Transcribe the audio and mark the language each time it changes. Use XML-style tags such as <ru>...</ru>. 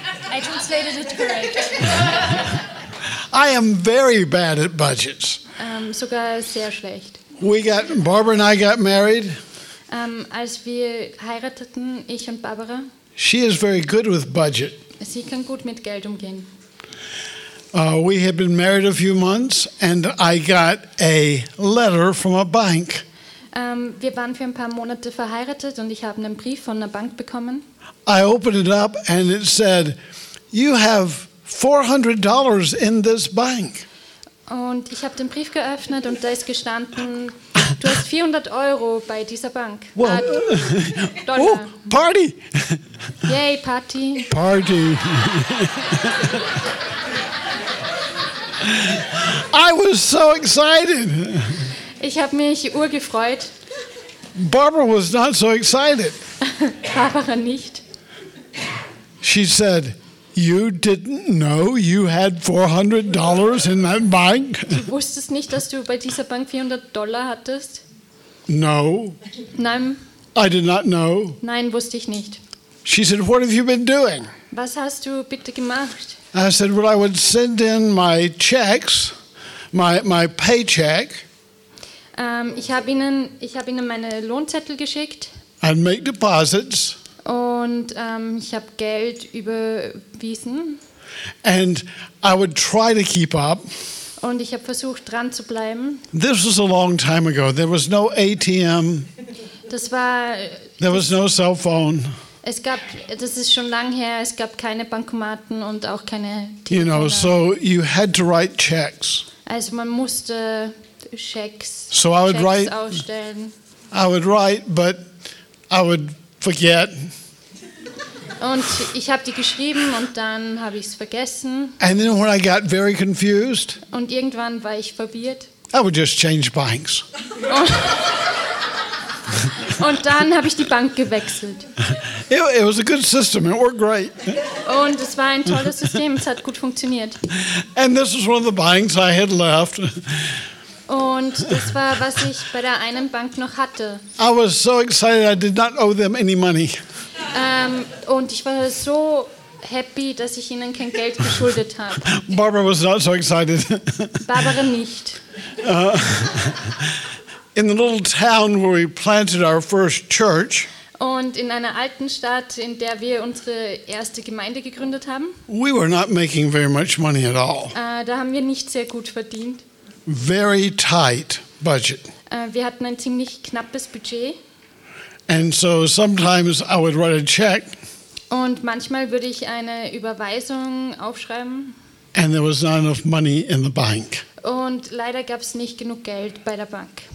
<en>I translated it correct. I am very bad at budgets.</en> <de>Sogar sehr schlecht.</de> <en>Barbara and I got married.</en> <de>Als wir heirateten, ich und Barbara.</de> <en>She is very good with budget.</en> <de>Sie kann gut mit Geld umgehen.</de> <en>We had been married a few months and I got a letter from a bank.</en> <de>Wir waren für ein paar Monate verheiratet und ich habe einen Brief von einer Bank bekommen.</de> <en>I opened it up and it said, "You have $400 in this bank."</en> <de>Und ich habe den Brief geöffnet und da ist gestanden, du hast 400 Euro bei dieser Bank.</de> <en>Well, oh, party! Yay, party! Party! I was so excited.</en> <de>Ich habe mich urgefreut.</de> <en>Barbara was not so excited.</en> <de>Barbara nicht.</de> <en>She said, "You didn't know you had $400 in that bank?"</en> <de>Du wusstest nicht, dass du bei dieser Bank 400 Dollar hattest?</de> <en>No.</en> <de>Nein.</de> <en>I did not know.</en> <de>Nein, wusste ich nicht.</de> <en>She said, "What have you been doing?"</en> <de>Was hast du bitte gemacht?</de> <en>I said, "Well, I would send in my checks, my paycheck."</en> <de>Ich habe ihnen meine Lohnzettel geschickt.</de> <en>And make deposits.</en> <de>Und ich habe Geld überwiesen.</de> <en>And I would try to keep up.</en> <de>Und ich habe versucht dran zu bleiben.</de> <en>This was a long time ago. There was no ATM.</en> <de>Das war.</de> <en>There was no cell phone.</en> <de>Es gab, das ist schon lang her, es gab keine Bankomaten und auch keine</de> <en>Telefone. You know, so you had to write checks.</en> <de>Also man musste Schecks,</de> <en>so I would</en> <de>Schecks</de> <en>write,</en> <de>ausstellen.</de> <en>I would write, but I would forget.</en> <de>Und ich habe die geschrieben und dann habe ich es vergessen.</de> <en>And then when I got very confused,</en> <de>und irgendwann war ich verwirrt.</de> <en>I would just change banks.</en> <de>Und dann habe ich die Bank gewechselt.</de> <en>It was a good system. It worked great.</en> <de>Und es war ein tolles System. Es hat gut funktioniert.</de> <en>And this was one of the banks I had left.</en> <de>Und das war, was ich bei der einen Bank noch hatte.</de> <en>I was so excited. I did not owe them any money.</en> <de>Und ich war so happy, dass ich ihnen kein Geld geschuldet habe.</de> <en>Barbara was not so excited.</en> <de>Barbara nicht.</de> <en>In the little town where we planted our first church.</en> <de>Und in einer alten Stadt, in der wir unsere erste Gemeinde gegründet haben.</de> <en>We were not making very much money at all.</en> <de>Da haben wir nicht sehr gut verdient.</de> <en>Very tight budget.</en> <de>Wir hatten ein ziemlich knappes Budget.</de> <en>And so sometimes I would write a check.</en> <de>Und manchmal würde ich eine Überweisung aufschreiben.</de> <en>And there was not enough money in the bank.</en> <de>Und leider gab es nicht genug Geld bei der Bank.</de>